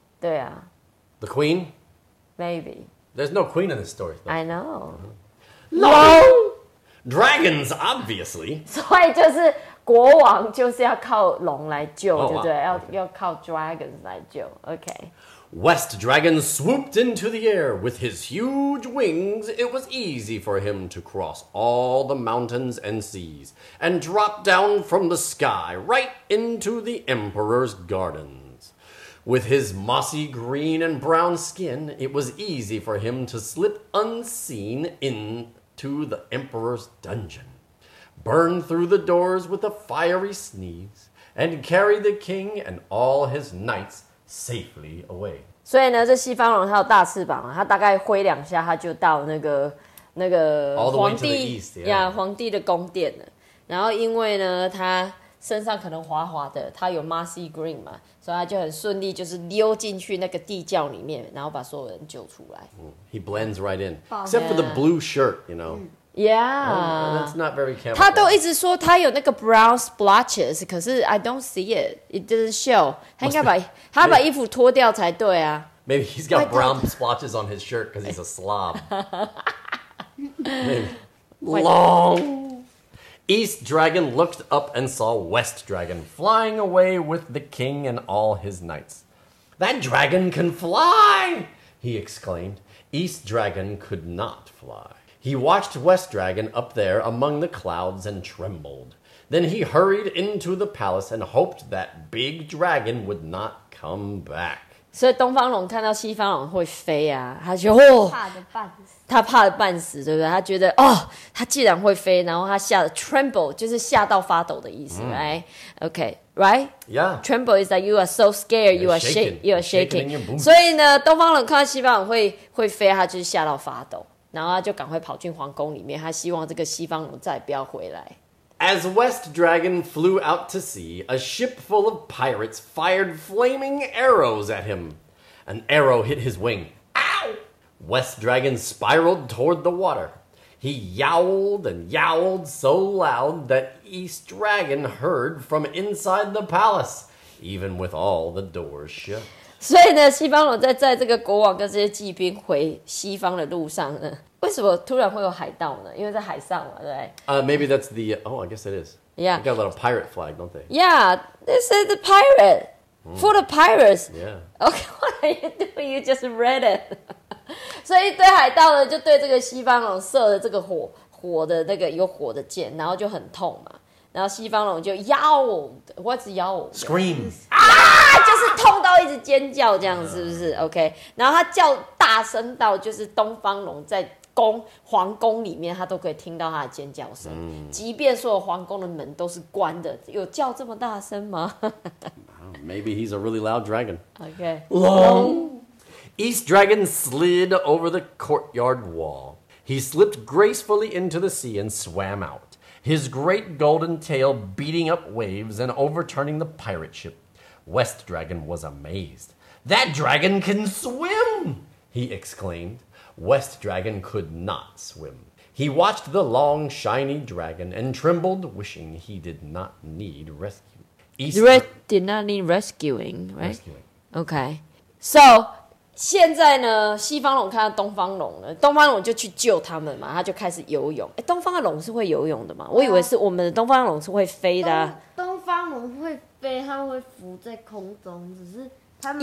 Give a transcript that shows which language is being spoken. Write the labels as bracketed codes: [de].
[zh] 对啊。 [en] The queen? Maybe. There's no queen in this story, though. I know. No! Dragons, obviously. [zh] 所以就是国王就是要靠龙来救，对不对？要靠 dragons 来救。 [en] Okay. West Dragon swooped into the air. With his huge wings, it was easy for him to cross all the mountains and seas and drop down from the sky right into the Emperor's gardens. With his mossy green and brown skin, it was easy for him to slip unseen into the Emperor's dungeon, burn through the doors with a fiery sneeze, and carry the king and all his knights safely away. 所以呢，这西方龙它有大翅膀，它大概挥两下，它就到那个皇帝呀， yeah. [zh] yeah, 皇帝的宫殿了。然后因为呢，它身上可能滑滑的，它有 mossy green 嘛，所以它就很顺利，就是溜进去那个地窖里面，然后把所有人救出来。 [en] He blends right in, except for the blue shirt, you know. Yeah, that's not very camouflage. [zh] 他都一直说他有那个 brown splotches, 可是 [en] I don't see it. It doesn't show. [zh] 他应该把 他把衣服脱掉才对啊。 [en] Maybe he's got brown splotches on his shirt because he's a slob. Long. East Dragon looked up and saw West Dragon flying away with the king and all his knights. That dragon can fly! He exclaimed. East Dragon could not fly. He watched West Dragon up there among the clouds and trembled. Then he hurried into the palace and hoped that big dragon would not come back. [zh] 所以东方龙看到西方龙会飞啊，他就哦，他怕的半死，对不对？他觉得哦，他既然会飞，然后他吓得 tremble， 就是吓到发抖的意思、 [en] right? Okay, right? Yeah. Tremble is that you are so scared, you are shaking, you are shaking. [zh] 所以呢，东方龙看到西方龙会飞，他就是吓到发抖。然后他就赶快跑进皇宫里面，他希望这个西方龙再也不要回来。 [en] As West Dragon flew out to sea, a ship full of pirates fired flaming arrows at him. An arrow hit his wing. Ow! West Dragon spiraled toward the water. He yowled and yowled so loud that East Dragon heard from inside the palace, even with all the doors shut. [zh] 所以呢，西方龙在这个国王跟这些骑兵回西方的路上呢，为什么突然会有海盗呢？因为在海上嘛，对不对？ [en] Maybe that's the oh, I guess it is. Yeah, they got a little pirate flag, don't they? Yeah, this is the pirate for the pirates. Yeah. Okay, what are you doing? You just read it. [zh] 所以对海盗呢，就对这个西方龙射了这个火的那个有火的箭，然后就很痛嘛。然后西方龙就 yowled, [en] what's yowled? Screams. [zh] 就是痛到一直尖叫这样是不是 ？OK， 然后他叫大声到就是东方龙在宫皇宫里面，他都可以听到他的尖叫声。即便所有皇宫的门都是关的，有叫这么大声吗 [en] ？Maybe he's a really loud dragon. OK. Long East Dragon slid over the courtyard wall. He slipped gracefully into the sea and swam out. His great golden tail beating up waves and overturning the pirate ship. West Dragon was amazed. That dragon can swim! He exclaimed. West Dragon could not swim. He watched the long, shiny dragon and trembled, wishing he did not need rescue. Did not need rescuing, right? Rescuing. Okay. So, [zh] 现在呢，西方龙看到东方龙了，东方龙就去救他们嘛，他就开始游泳。哎，东方的龙是会游泳的吗？我以为是我们的东方龙是会飞的、啊。东方龙会飞，它会浮在空中，只是它们